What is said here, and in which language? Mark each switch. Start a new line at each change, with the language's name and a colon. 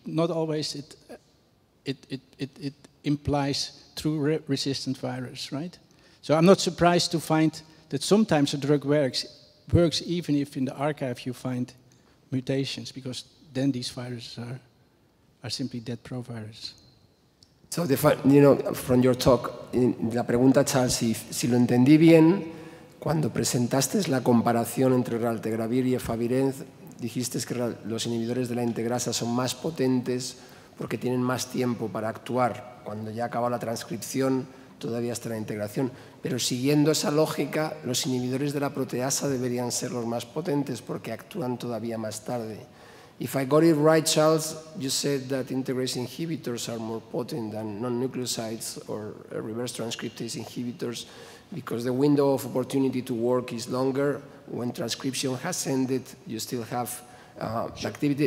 English: Not always it implies true resistant virus, right? So I'm not surprised to find that sometimes a drug works even if in the archive you find mutations, because then these viruses are simply dead proviruses. So, from your talk,
Spanish: la pregunta, Charles, si lo entendí bien, cuando presentaste la comparación entre raltegravir y efavirenz, dijiste que los inhibidores de la integrasa son más potentes porque tienen más tiempo para actuar. Cuando ya acaba la transcripción, todavía está la integración. Pero siguiendo esa lógica, los inhibidores de la proteasa deberían ser los más potentes porque actúan todavía más tarde.
English: If I got it right, Charles, you said that integrase inhibitors are more potent than non-nucleosides or reverse transcriptase inhibitors because the window of opportunity to work is longer. When transcription has ended, you still have sure. Activity.